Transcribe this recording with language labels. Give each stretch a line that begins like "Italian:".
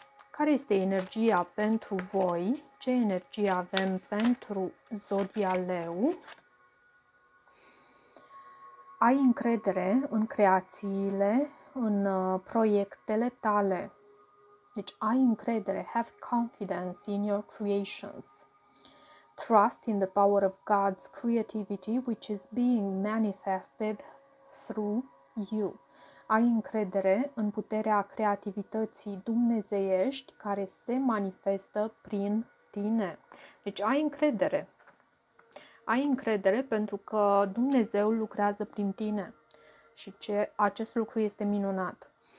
Romanian: Care este energia pentru voi? Ce energie avem pentru zodia Leu? Ai încredere în creațiile, în proiectele tale. Deci ai încredere.
English: Have confidence in your creations. Trust in the power of God's creativity, which is being manifested through you.
Romanian: Ai încredere în puterea creativității dumnezeiești care se manifestă prin tine. Deci ai încredere. Ai încredere pentru că Dumnezeu lucrează prin tine. Și acest lucru este minunat.